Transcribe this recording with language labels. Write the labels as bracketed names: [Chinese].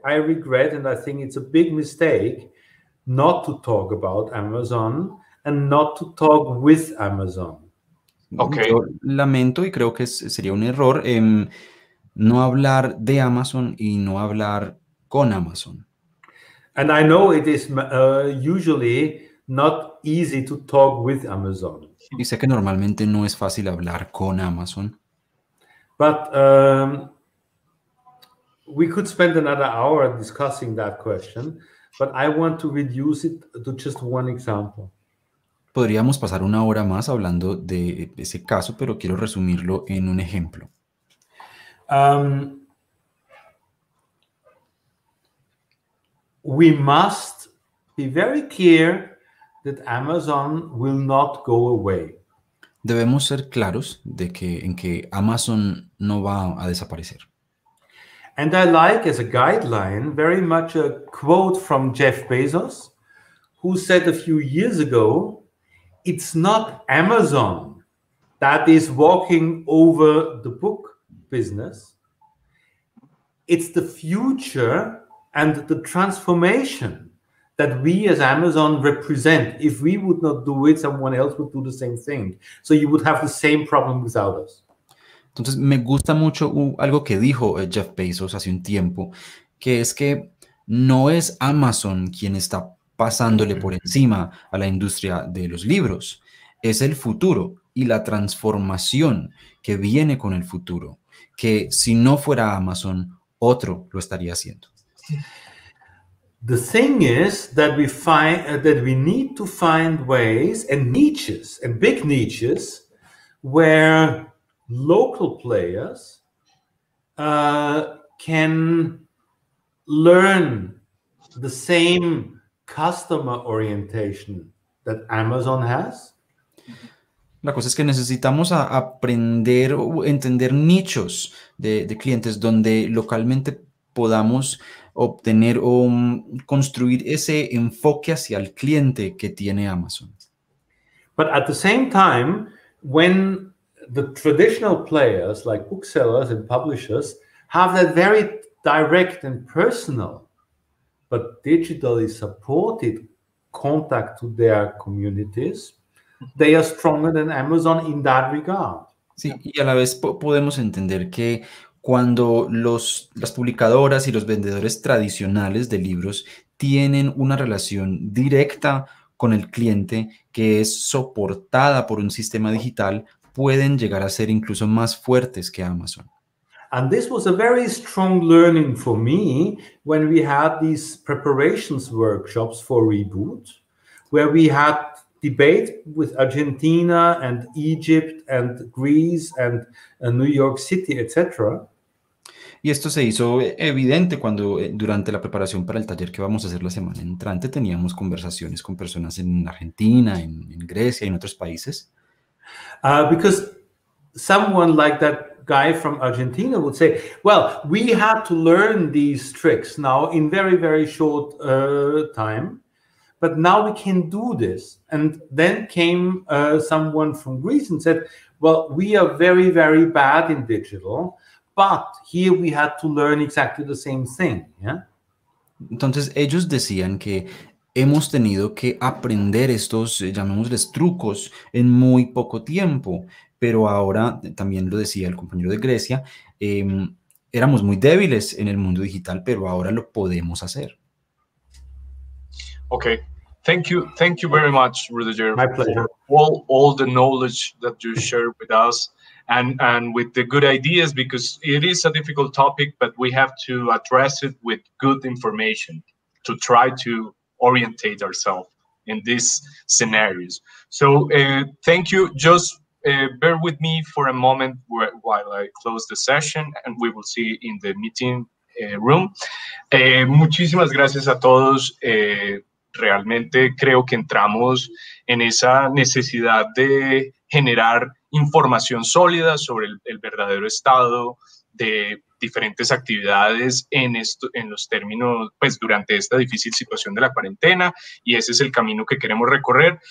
[English] I regret and I think it's a big mistake not to talk about Amazon and not to talk with Amazon. Okay. [Spanish] Yo lamento y creo que sería un error no hablar de Amazon y no hablar con Amazon. [English] And I know it is usually not easy to talk with Amazon. [Spanish] Y sé que normalmente no es fácil hablar con Amazon. [English] But we could spend another hour discussing that question. But I want to reduce it to just one example. [Spanish] Podríamos pasar una hora más hablando de ese caso, pero quiero resumirlo en un ejemplo. [English] We must be very clear that Amazon will not go away. [Spanish] Debemos ser claros de que en que Amazon no va a desaparecer. [English] And I like, as a guideline, very much a quote from Jeff Bezos, who said a few years ago, it's not Amazon that is walking over the book business. It's the future and the transformation that we as Amazon represent. If we would not do it, someone else would do the same thing. So you would have the same problem without us. [Spanish] Entonces, me gusta mucho algo que dijo Jeff Bezos hace un tiempo, que es que no es Amazon quien está pasándole por encima a la industria de los libros. Es el futuro y la transformación que viene con el futuro, que si no fuera Amazon, otro lo estaría haciendo. [English] The thing is that we need to find ways and niches, and big niches, where local players can learn the same customer orientation that Amazon has. [Spanish] La cosa es que necesitamos aprender o entender nichos de clientes donde localmente podamos obtener o construir ese enfoque hacia el cliente que tiene Amazon. [English] But at the same time, when the traditional players like booksellers and publishers have that very direct and personal but digitally supported contact to their communities, they are stronger than Amazon in that regard. [Spanish] Sí, y a la vez podemos entender que cuando las publicadoras y los vendedores tradicionales de libros tienen una relación directa con el cliente que es soportada por un sistema digital, pueden llegar a ser incluso más fuertes que Amazon. [English] And this was a very strong learning for me when we had these preparations workshops for Reboot, where we had debate with Argentina and Egypt and Greece and New York City, etc. [Spanish] Y esto se hizo evidente cuando durante la preparación para el taller que vamos a hacer la semana entrante teníamos conversaciones con personas en Argentina, en Grecia y en otros países. [English] Because someone like that guy from Argentina would say, well, we had to learn these tricks now in very, very short time, but now we can do this. And then came someone from Greece and said, well, we are very, very bad in digital, but here we had to learn exactly the same thing. Yeah. [Spanish] Entonces ellos decían que hemos tenido que aprender estos, llamémosles trucos, en muy poco tiempo. Pero ahora, también lo decía el compañero de Grecia, éramos muy débiles en el mundo digital, pero ahora lo podemos hacer. [English] Okay. Thank you. Thank you very much, Rüdiger. My pleasure. All the knowledge that you share with us and with the good ideas, because it is a difficult topic, but we have to address it with good information to try to orientate ourselves in these scenarios. So thank you. Just bear with me for a moment while I close the session, and we will see in the meeting room. [Spanish] Muchísimas gracias a todos. Realmente creo que entramos en esa necesidad de generar información sólida sobre el verdadero estado de diferentes actividades en esto, en los términos, pues durante esta difícil situación de la cuarentena, y ese es el camino que queremos recorrer.